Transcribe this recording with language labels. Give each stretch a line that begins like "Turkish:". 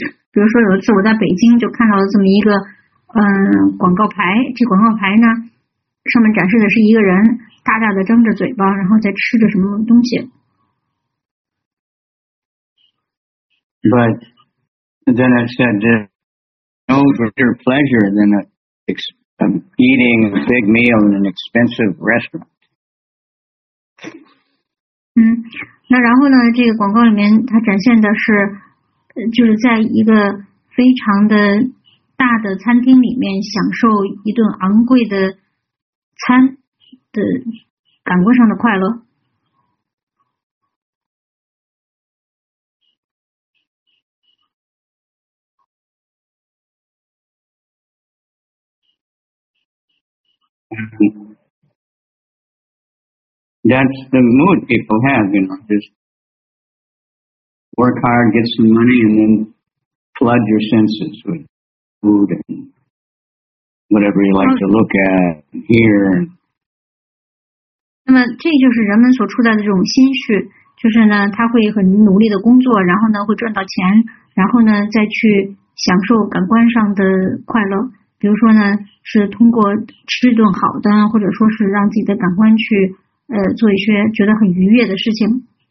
Chinese: 比如说有一次我在北京就看到了这么一个广告牌，这广告牌呢上面展示的是一个人大大的张着嘴巴，然后在吃着什么东西。
English: But then I said, no greater pleasure than eating a big meal in an expensive restaurant.
Chinese: 那然后呢，这个广告里面它展现的是，就是在一个非常的大的餐厅里面享受一顿昂贵的餐的感官上的快乐。
English: That's the mood people have, you know, just work hard, get some money, and then flood your senses with food and whatever you like to look at, hear.
Chinese: 那么这就是人们所处在的这种心绪，就是呢，他会很努力的工作，然后呢，会赚到钱，然后呢，再去享受感官上的快乐。比如说呢，是通过吃一顿好的，或者说是让自己的感官去做一些觉得很愉悦的事情。